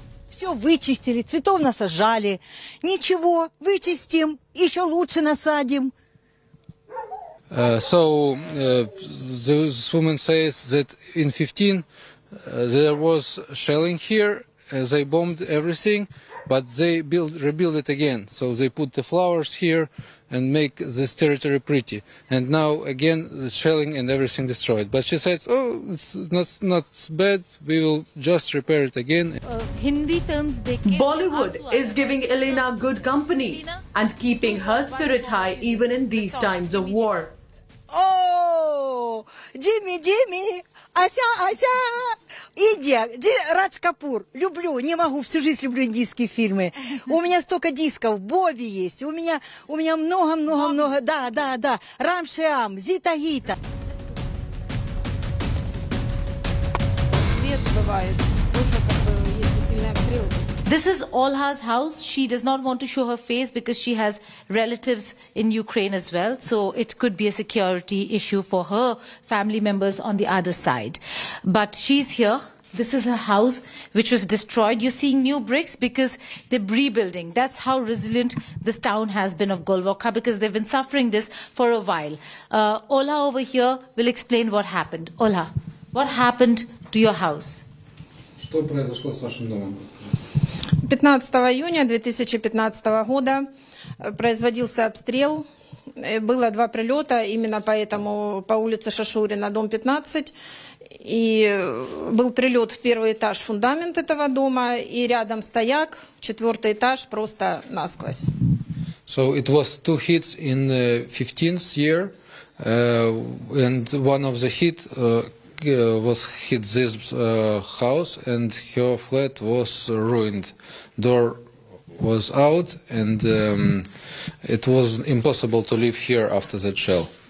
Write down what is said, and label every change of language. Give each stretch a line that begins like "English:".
Russian: Все вычистили, цветов насажали. Ничего, вычистим, еще лучше насадим.
English: This woman says that in 15 there was shelling here. They bombed everything, but they rebuild it again. So they put the flowers here and make this territory pretty. And now again, the shelling and everything destroyed. But she says, oh, it's not bad. We will just repair it again. Hindi films. Bollywood is giving Elena good company and keeping her spirit high even in these times of war. Oh, Jimmy, Jimmy.
Russian: Ася, Ася, Индия, Радж Капур, люблю, не могу, всю жизнь люблю индийские фильмы. У меня столько дисков, Бобби есть, у меня много, да, да, да, Рам Шиам, Зита Гита. Свет бывает, тоже как бы, если сильная обстрелка.
English: This is Olha's house. She does not want to show her face because she has relatives in Ukraine as well. So it could be a security issue for her family members on the other side. But she's here. This is her house which was destroyed. You're seeing new bricks because they're rebuilding. That's how resilient this town has been of Gorlovka, because they've been suffering this for a while. Olha over here will explain what happened. Olha, what happened to your house?
Russian: Что произошло с вашим домом? 15 июня 2015 года производился обстрел. Было два прилета именно поэтому по улице Шашурина, дом 15. И был прилет в первый этаж, фундамент этого дома, и рядом стояк, четвертый этаж просто насквозь.
English: So it was two hits in the 15th year, and one of the hit was hit this house, and her flat was ruined. Door was out, and it was impossible to live here after that shell.